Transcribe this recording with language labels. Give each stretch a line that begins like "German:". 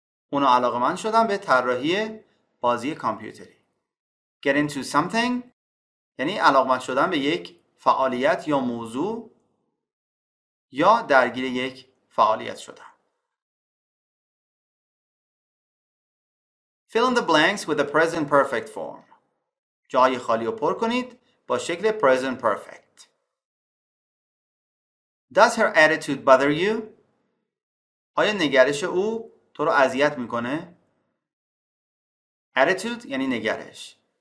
Persian: اونا علاقمند شدن به طراحی بازی کامپیوتری.
English: Get into something
Persian: یعنی علاقمند شدن به یک فعالیت یا موضوع یا درگیر یک فعالیت شدن.
English: Fill in the blanks with the present perfect form.
Persian: جای خالی رو پر کنید با شکل present perfect.
English: Does her attitude bother you?
Persian: آیا نگرش او تو رو اذیت میکنه؟ Attitude یعنی نگرش.